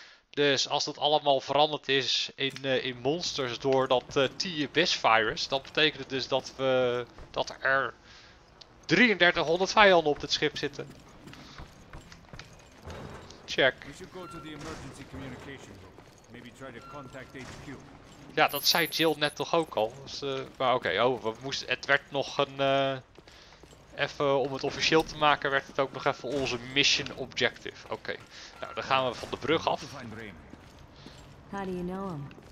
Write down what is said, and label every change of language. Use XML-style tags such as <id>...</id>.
<nl>Dus als dat allemaal veranderd is in monsters door dat T-Abyss virus. Dan betekent het dus dat er... 3300 vijanden op het schip zitten.</nl> <en>Check. We should go to the emergency communication room. Maybe try to contact HQ.</en> <nl>Ja, dat zei Jill net toch ook al. Dus, maar oké, okay. Het werd nog een... even om het officieel te maken, werd het ook nog even onze mission objective. Oké, okay. Nou dan gaan we van de brug af.</nl> <en>How do you know him?</en>